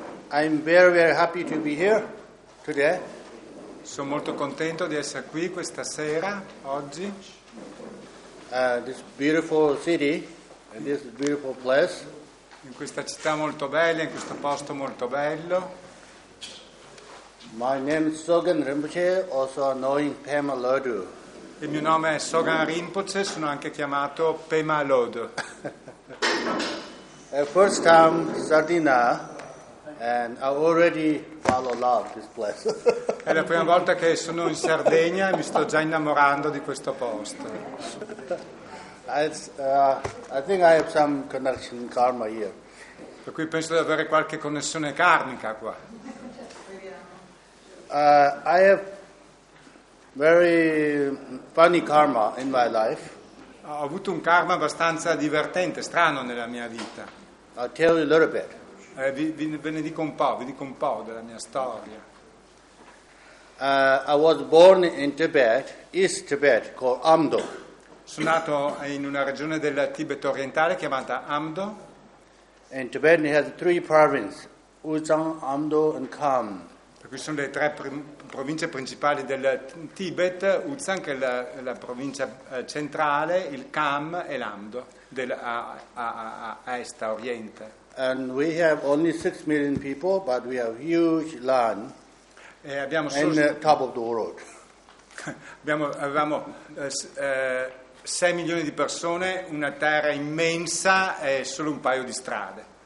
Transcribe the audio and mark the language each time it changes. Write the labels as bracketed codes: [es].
[en] I'm very, very happy to be here today. [it] Sono molto contento di essere qui questa sera, oggi. [en] This beautiful city, this beautiful place. [it] In questa città molto bella, in questo posto molto bello. [en] My name is Dzogchen Rinpoche, also known as Pema Lodu. [it] Il mio nome è Dzogchen Rinpoche, sono anche chiamato Pema Lodo. [en] First time Sardinia and I already fall in love this place. [it] È la prima volta che sono in Sardegna e mi sto già innamorando di questo posto. [en] I think I have some connection karma here. [it] Per cui penso di avere qualche connessione karmica qua. [en] I have very funny karma in my life. [it] Ho avuto un karma abbastanza divertente, strano nella mia vita. [en] I'll tell you a little bit. [it] Ve ne dico un po' della mia storia. [en] I was born in Tibet, East Tibet, called Amdo. [it] Sono nato in una regione del Tibet orientale chiamata Amdo. [en] In Tibet it has three provinces: Uzang, Amdo and Kham. [it] Qui sono le tre province principali del Tibet, Uzang che è la provincia centrale, il Kham e l'Amdo, a est, a oriente. [en] And we have only 6 million people, but we have huge land. [it] E abbiamo [en] solo and top of the world. [it] avevamo 6 milioni di persone, una terra immensa e solo un paio di strade.